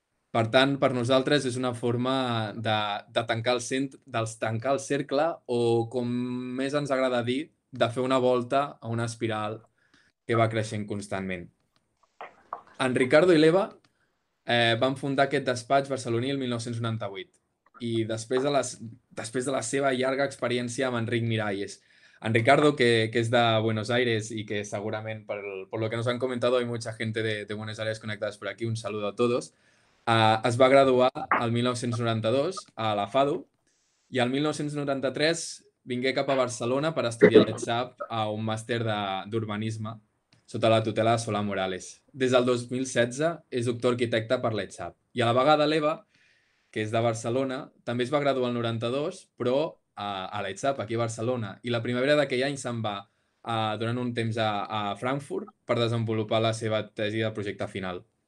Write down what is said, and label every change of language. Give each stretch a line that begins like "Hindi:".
Catalan: Per tant, per nosaltres és una forma de tancar el cercle o, com més ens agrada dir, de fer una volta a una espiral que va creixent constantment. En Ricardo i l'Eva van fundar aquest despatx barceloní el 1998 i després de la seva llarga experiència amb Enric Miralles. En Ricardo, que
Spanish: es de Buenos Aires y que seguramente, por lo que nos han comentado, hay mucha gente de Buenos Aires conectadas por aquí, un saludo a todos,
Catalan: es va graduar al 1992 a la FADU y al 1993 vingué cap a Barcelona per estudiar l'ETSAP a un màster d'urbanisme sota la tutela de Solà Morales. Des del 2016 és doctor arquitecte per l'ETSAP. I a la vegada l'Eva, que és de Barcelona, també es va graduar al 92, però a l'ETSAP, aquí a Barcelona. I la primavera d'aquell any se'n va durant un temps a Frankfurt per desenvolupar la seva tesi de projecte final.